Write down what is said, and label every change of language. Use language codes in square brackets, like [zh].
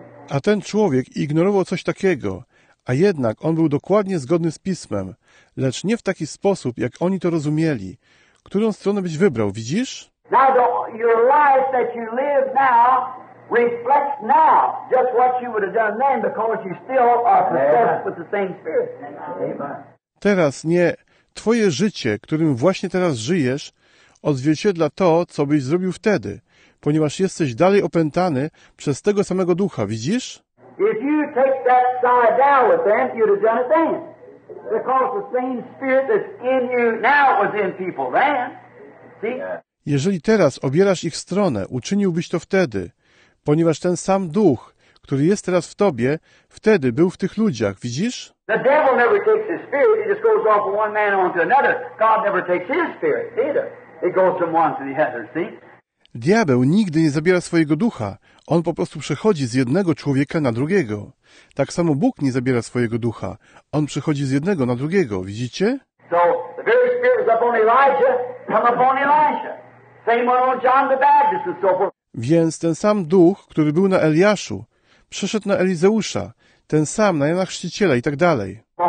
[pl] A ten człowiek ignorował coś takiego, a jednak on był dokładnie zgodny z Pismem, lecz nie w taki sposób, jak oni to rozumieli. Którą stronę byś wybrał, widzisz? [en] Now your life that you live now reflects now just what you would have done then, because you still are possessed with the same spirit. [pl] Teraz nie. Twoje życie, którym właśnie teraz żyjesz, odzwierciedla to, co byś zrobił wtedy, ponieważ jesteś dalej opętany przez tego samego ducha, widzisz? [en] If you take that side down with them, you'd have done it then. Because the same spirit that's in you now was in people then. See? [pl] Jeżeli teraz obierasz ich stronę, uczyniłbyś to wtedy, ponieważ ten sam duch, który jest teraz w tobie, wtedy był w tych ludziach, widzisz? [en] The devil never takes his spirit, it just goes off from one man onto another. God never takes his spirit either. It goes from one to the other, see? [pl] Diabeł nigdy nie zabiera swojego ducha. On po prostu przechodzi z jednego człowieka na drugiego. Tak samo Bóg nie zabiera swojego ducha. On przechodzi z jednego na drugiego, widzicie? [en] So the very spirit is upon Elijah, come upon Elisha. Same one on John the Baptist and so forth. [pl] Więc ten sam duch, który był na Eliaszu, przyszedł na Elizeusza, ten sam na Jana Chrzciciela i tak dalej.